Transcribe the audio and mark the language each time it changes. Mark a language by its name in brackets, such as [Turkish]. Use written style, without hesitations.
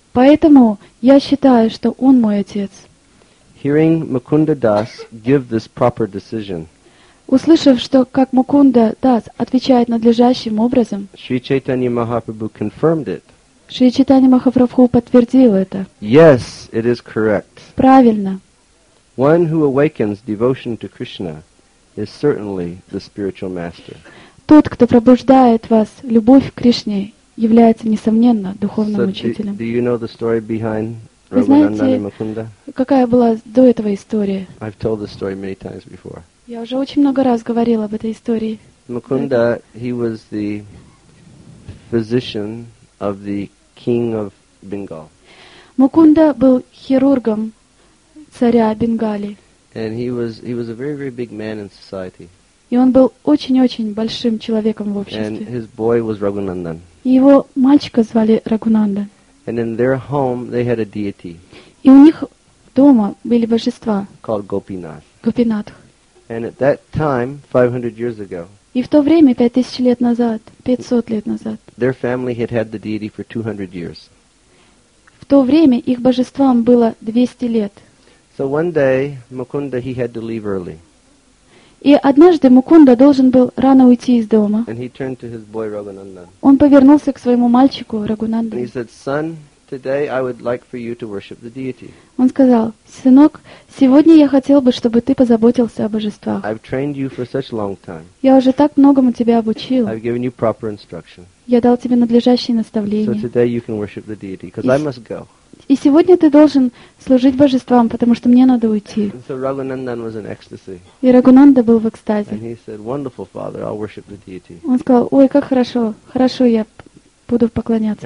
[Russian] Поэтому я считаю, что он мой отец. [English] Hearing Mukunda Das give this proper decision. [Russian] Услышав, что как Мукунда Дас отвечает надлежащим образом, [English] Шри Чайтанья Махапрабху confirmed it. [Russian] Шри Чайтанья Махапрабху подтвердил это. [English] Yes, it is correct. [Russian] Правильно. [English] One who awakens devotion to Krishna is certainly the spiritual master. [Russian] Тот, кто пробуждает вас любовь к Кришне, является несомненно духовным учителем. [English] Do you know the story behind [Russian] Рагунандан и Мукунда? Какая была до этого история? [English] I've told this story many times before. [Russian] Я уже очень много раз говорил об этой истории. [English] Мукунда, he was the physician of the king of Bengal. [Russian] Мукунда был хирургом царя Бенгали. [English] And he was a very, very big man in society. [Russian] И он был очень-очень большим человеком в обществе. [English] And his boy was Рагунандан. [Russian] И его мальчика звали Рагунанда. [English] And in their home they had a deity. [Russian] И у них дома были божества. [English] Called Gopinath. [Russian] Гопинатх. [English] And at that time, 500 years ago. [Russian] И в то время, 5000 лет назад, 500 лет назад. [English] Their family had had the deity for 200 years. [Russian] В то время их божествам было 200 лет. [English] So one day, Mukunda, he had to leave early. [Russian] И однажды Мукунда должен был рано уйти из дома. [English] And he turned to his boy Рагунандан. [Russian] Он повернулся к своему мальчику Рагунандан. [English] And he said, "Son, Today I would like for you to worship the deity. [Russian] Он сказал: "Сынок, сегодня я хотел бы, чтобы ты позаботился о божествах. [English] I've trained you for such a long time. [Russian] Я уже так многому тебя обучил. [English] I've given you proper instruction. [Russian] Я дал тебе надлежащие наставления. [English] So today you can worship the deity, because I must go. [Russian] И сегодня ты должен служить божествам, потому что мне надо уйти. [English] And so Raghunandan was in ecstasy. [Russian] И Рагунанда был в экстазе. [English] And he said, "Wonderful, Father, I'll worship the deity." [Russian] Он сказал: "Ой, как хорошо, хорошо, я буду поклоняться